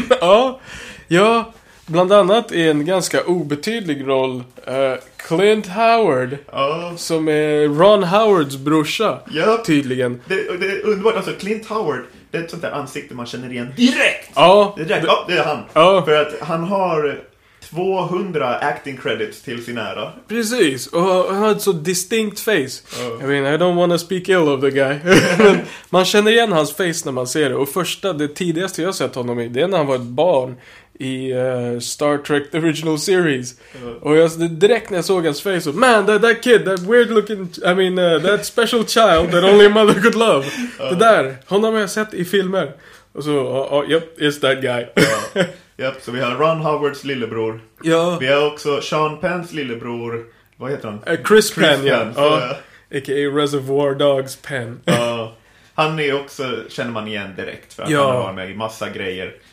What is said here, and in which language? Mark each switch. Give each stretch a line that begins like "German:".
Swedish: Ja, ja, bland annat i en ganska obetydlig roll, Clint Howard, som är Ron Howards brorsa, tydligen. Det är underbart, alltså Clint Howard, det är ett sånt där ansikte man känner igen direkt. Ja, det är han. För att han har 200 acting credits till sin ära. Precis, och han har ett så
English: distinct face. I mean, I don't want to speak ill of the guy.
Swedish: Man känner igen hans face när man ser det. Och första, det tidigaste jag sett honom i, det är när han var ett barn i Star Trek The Original Series. Och jag, direkt när jag såg hans face,
English: man, that kid, that weird looking, I mean, that special child that only a mother could love.
Swedish: Det där, honom har jag sett i filmer. Och så,
English: yep, it's that guy.
Swedish: Yep, så vi har Ron Howards lillebror. Ja. Vi har också Sean Penns lillebror. Vad heter han? Chris Penn. Ja. A.k.a. Reservoir Dogs Penn. Han är också, känner man igen direkt. För att han har varit med i massa grejer.